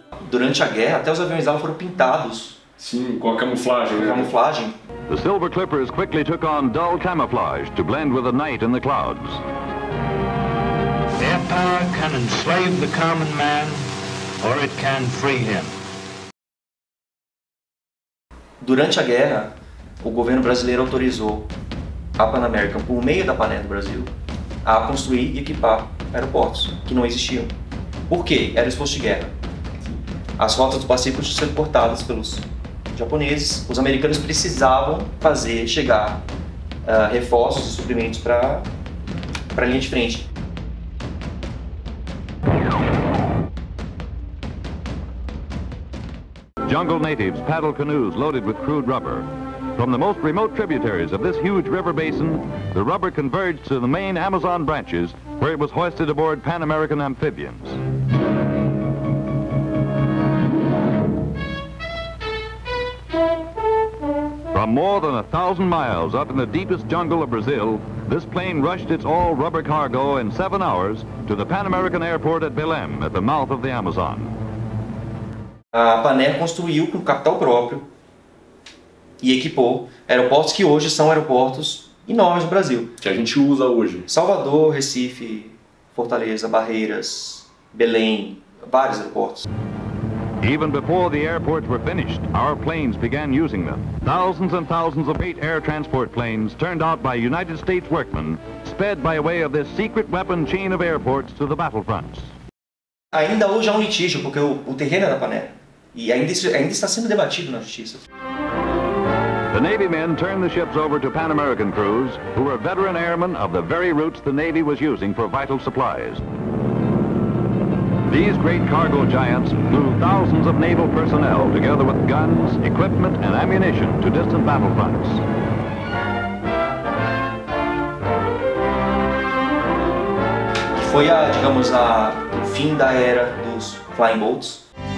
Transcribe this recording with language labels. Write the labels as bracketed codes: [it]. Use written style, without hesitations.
[pt] durante a guerra, até os aviões dela foram pintados. Sim, com a camuflagem. Com a camuflagem. [en] The Silver Clippers quickly took on dull camouflage to blend with the night in the clouds. Their power can enslave the common man, or it can free him. [pt] Durante a guerra, o governo brasileiro autorizou a Pan American, por meio da Pan Am do Brasil, a construir e equipar aeroportos que não existiam. Por quê? Era o esforço de guerra. As rotas do Pacífico tinham sido cortadas pelos japoneses. Os americanos precisavam fazer chegar reforços e suprimentos para a linha de frente. [en] Jungle natives paddle canoes loaded with crude rubber. From the most remote tributaries of this huge river basin, the rubber converged to the main Amazon branches where it was hoisted aboard Pan American amphibians. From more than 1,000 miles up in the deepest jungle of Brazil, this plane rushed its all rubber cargo in 7 hours to the Pan American airport at Belém, at the mouth of the Amazon. [pt] A Pan Am construiu com capital próprio e equipou aeroportos que hoje são aeroportos enormes no Brasil. Que a gente usa hoje. Salvador, Recife, Fortaleza, Barreiras, Belém, vários aeroportos. [en] Even before the airports were finished, our planes began using them. Thousands and thousands of eight air transport planes turned out by United States workmen sped by way of this secret weapon chain of airports to the battlefronts. [pt] Ainda hoje há um litígio, porque o terreno era Pan Am. E ainda está sendo debatido na justiça. [en] The Navy men turned the ships over to Pan American crews, who were veteran airmen of the very routes the Navy was using for vital supplies. These great cargo giants flew thousands of naval personnel, together with guns, equipment and ammunition, to distant battlefronts. [pt] Foi a, digamos, a fim da era dos flying boats.